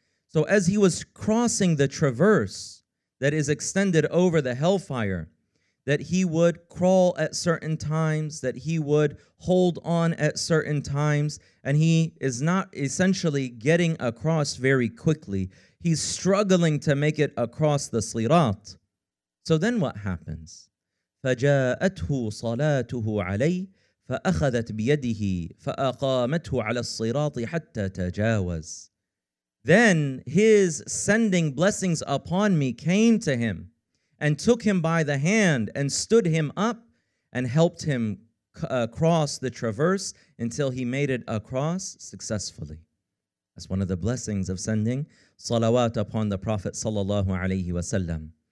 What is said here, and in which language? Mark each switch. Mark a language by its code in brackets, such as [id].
[en] So as he was crossing the traverse that is extended over the hellfire, that he would crawl at certain times, that he would hold on at certain times, and he is not essentially getting across very quickly. He's struggling to make it across the صراط. So then what happens? [ar] فجاءته صلاته عليه فأخذت بيده فأقامته على الصراط حتى تجاوز. [en] Then his sending blessings upon me came to him and took him by the hand and stood him up and helped him cross the traverse until he made it across successfully. That's one of the blessings of sending salawat upon the Prophet sallallahu alaihi wasallam.